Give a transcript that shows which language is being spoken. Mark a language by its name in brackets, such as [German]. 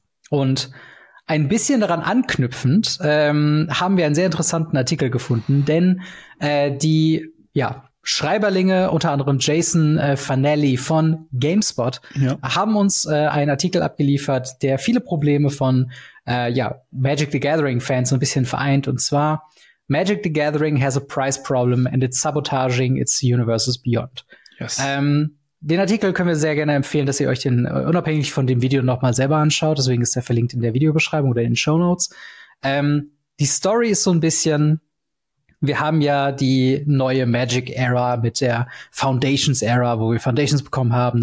[German] Und ein bisschen daran anknüpfend haben wir einen sehr interessanten Artikel gefunden, denn die, ja, Schreiberlinge, unter anderem Jason Fanelli von GameSpot, haben uns einen Artikel abgeliefert, der viele Probleme von Magic the Gathering Fans ein bisschen vereint. Und zwar: [English] Magic the Gathering has a price problem and it's sabotaging its universes beyond. Yes. [German] Den Artikel können wir sehr gerne empfehlen, dass ihr euch den unabhängig von dem Video noch mal selber anschaut. Deswegen ist er verlinkt in der Videobeschreibung oder in den Shownotes. Die Story ist so ein bisschen: wir haben ja die neue Magic-Era mit der Foundations-Era, wo wir Foundations bekommen haben.